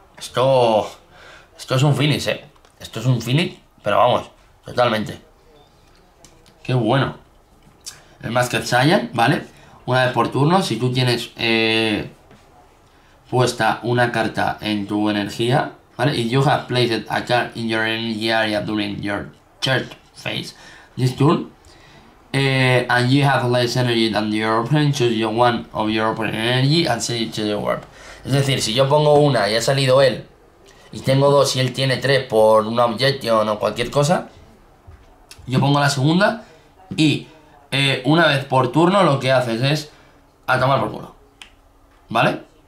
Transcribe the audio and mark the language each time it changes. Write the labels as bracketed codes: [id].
[es] Esto es un finish, ¿eh? Esto es un finish. Pero vamos. Totalmente. Qué bueno. El Masked Saiyan, ¿vale? Una vez por turno. Si tú tienes puesta una carta en tu energía. ¿Vale? [en] If you have placed a card in your energy area during your charge phase this turn, and you have less energy than your opponent, choose one of your opponent's energy and send it to the warp. [es] Es decir, si yo pongo una y ha salido él, y tengo dos y él tiene tres por una objeción o cualquier cosa, yo pongo la segunda y una vez por turno lo que haces es a tomar por culo. ¿Vale?